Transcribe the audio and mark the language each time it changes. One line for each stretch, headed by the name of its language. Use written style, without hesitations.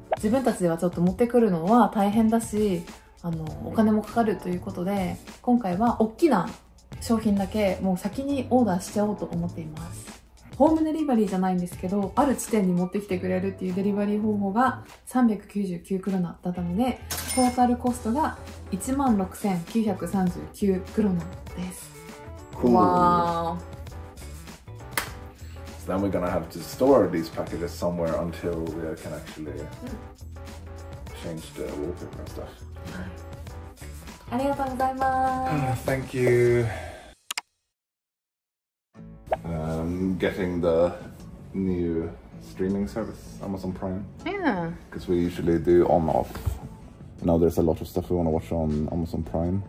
Japanese: 自分たちではちょっと持ってくるのは大変だし、お金もかかるということで、今回は大きな商品だけもう先にオーダーしちゃおうと思っています。ホームデリバリーじゃないんですけど、ある地点に持ってきてくれるっていうデリバリー方法が399クロナだったので、トータルコストが 16,939 クロナです。
English: Cool. Wow. So then we're gonna have to store these packages somewhere until we can actually change the wallpaper and stuff.
Japanese: ありがとうございます。
English: Thank you. Getting the new streaming service, Amazon Prime. Yeah. Because we usually do on off. Now there's a lot of stuff we want to watch on Amazon Prime.